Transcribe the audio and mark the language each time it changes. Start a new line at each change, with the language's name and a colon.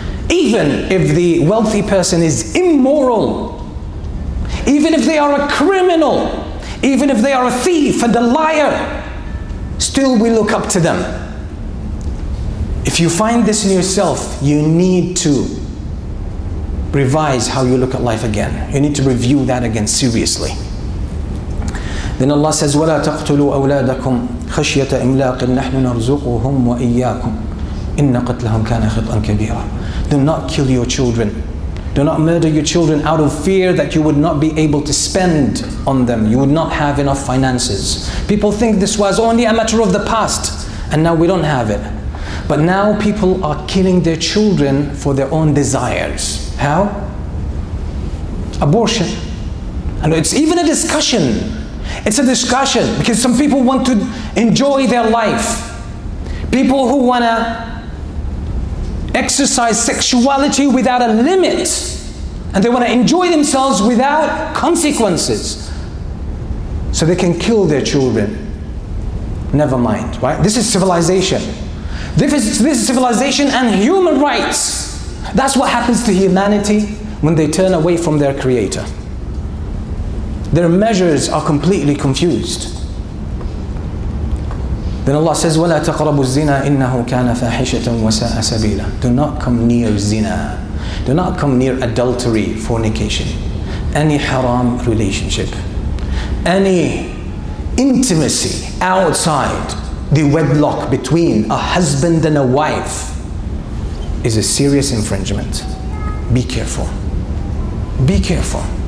English: Even if the wealthy person is immoral, even if they are a criminal, even if they are a thief and a liar, still we look up to them. If you find this in yourself, you need to revise how you look at life again. You need to review that again seriously.
Arabic: Then Allah says, وَلَا تَقْتُلُوا أَوْلَادَكُمْ خَشْيَةَ إِمْلَاقٍ نَحْنُ نَرْزُقُهُمْ وَإِيَّاكُمْ إِنَّ قَتْلَهُمْ كَانَ خِطْأً كَبِيرًا.
English: Do not kill your children. Do not murder your children out of fear that you would not be able to spend on them. You would not have enough finances. People think this was only a matter of the past, and now we don't have it. But now people are killing their children for their own desires. How? Abortion. And it's even a discussion. It's a discussion because some people want to enjoy their life. People who want to exercise sexuality without a limit, and they want to enjoy themselves without consequences, so they can kill their children. Never mind, right? This is civilization. This is civilization and human rights. That's what happens to humanity when they turn away from their creator. Their measures are completely confused.
Arabic: Then Allah says, وَلَا تَقْرَبُوا الزِّنَا إِنَّهُ كَانَ فَاحِشَةً وَسَاءَ سَبِيلًا.
English: Do not come near zina. Do not come near adultery, fornication, any haram relationship, any intimacy outside the wedlock between a husband and a wife is a serious infringement. Be careful. Be careful.